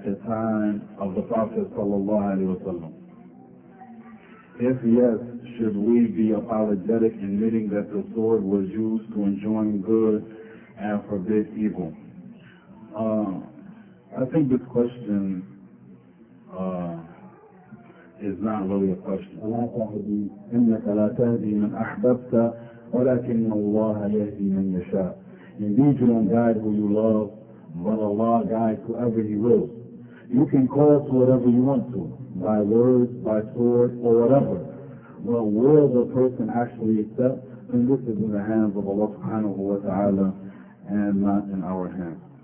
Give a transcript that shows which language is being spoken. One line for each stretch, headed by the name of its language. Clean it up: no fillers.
English: the time of the Prophet sallallahu alaihi wasallam? If yes, should we be apologetic in admitting that the sword was used to enjoin good and forbid evil? I think this question is not really a question.
Arabic: لا تهدي إنك لا تهدي من أحببت ولكن الله يهدي من يشاء.
English: Indeed, you don't guide who you love, but Allah guides whoever He wills. You can call to whatever you want to, by words, by sword, or whatever. But will the person actually accept? Then this is in the hands of Allah subhanahu wa ta'ala and not in our hands.